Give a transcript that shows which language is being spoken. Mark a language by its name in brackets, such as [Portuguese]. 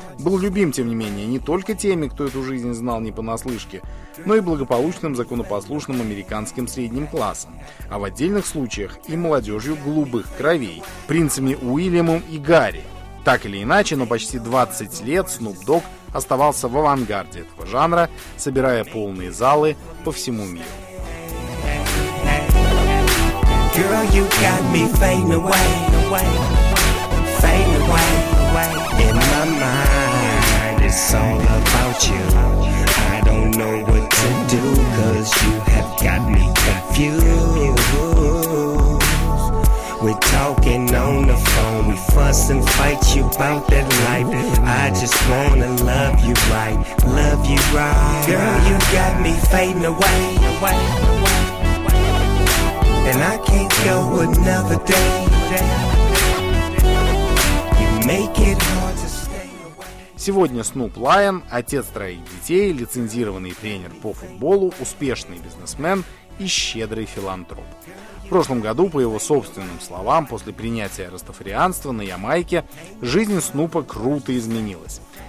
[Russian] Был любим, тем не менее, не только теми, кто эту жизнь знал не понаслышке, но и благополучным, законопослушным американским средним классом, а в отдельных случаях и молодежью голубых кровей, принцами Уильямом и Гарри. Так или иначе, но почти 20 лет Snoop Dogg оставался в авангарде этого жанра, собирая полные залы по всему миру. [English] Girl, you got me fading away, fading away, fading away, in my mind, it's all about you, I don't know what to do, cause you have got me confused, we're talking on the phone, we fuss and fight you about that life, I just wanna love you right, girl, you got me fading away, away. And I can't go another day. You make it hard to stay away. [Russian] Сегодня Снуп Лайон, отец троих детей, лицензированный тренер по футболу, успешный бизнесмен и щедрый филантроп. В прошлом году, по его собственным словам, после принятия растафарианства на Ямайке, жизнь Снупа круто изменилась.